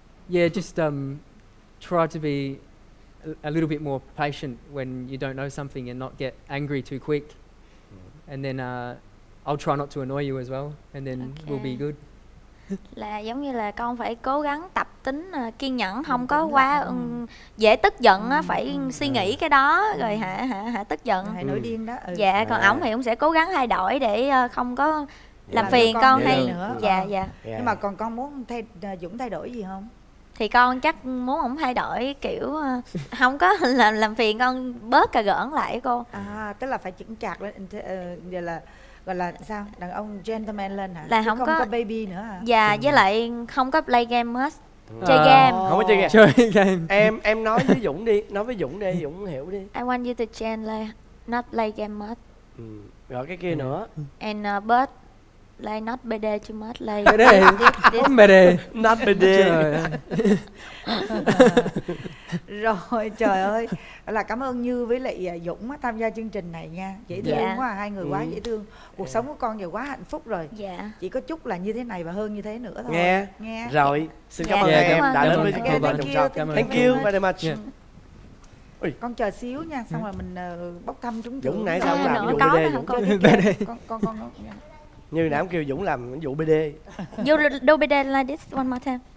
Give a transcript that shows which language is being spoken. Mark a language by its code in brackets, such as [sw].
[en] Yeah, just try to be a little bit more patient when you don't know something and not get angry too quick. And then I'll try not to annoy you as well, and then okay, we'll be good. [vi] Là giống như là con phải cố gắng tập tính kiên nhẫn, không có quá dễ tức giận, phải suy nghĩ cái đó rồi hả tức giận. Hay nổi điên đó. Dạ, còn ổng thì ổng sẽ cố gắng thay đổi để không có làm phiền con hay nữa. Dạ, dạ. Nhưng mà còn con muốn thay Dũng thay đổi gì không? Thì con chắc muốn ổng thay đổi kiểu không có làm phiền con, bớt cà gỡn lại cô. À, tức là phải chững chạc lên, là gọi là sao, đàn ông gentleman lên hả? Là không, không có baby nữa hả? Dạ, với lại không có [en] play game much. [vi] Chơi game. Không có chơi game. Chơi game. Em nói với Dũng đi, nói với Dũng đi, Dũng hiểu đi. [en] I want you to change, like, not play game much. [vi] Rồi cái kia nữa. [en] And but like not bd too much, like bd bd not bd. [vi] Rồi trời ơi, là cảm ơn Như với lại Dũng tham gia chương trình này nha, dễ thương quá, hai người quá dễ thương, cuộc sống của con giờ quá hạnh phúc rồi. Chỉ có chút là như thế này và hơn như thế nữa thôi. Nghe rồi, xin cảm ơn em đã đến với chương trình. [en] Thank you very much. [vi] Con chờ xíu nha, xong rồi mình bốc thăm chúng Dũng nãy sao làm vụ bd con Như nãy ông kêu Dũng làm vụ BD. [en] You do BD like this one more time.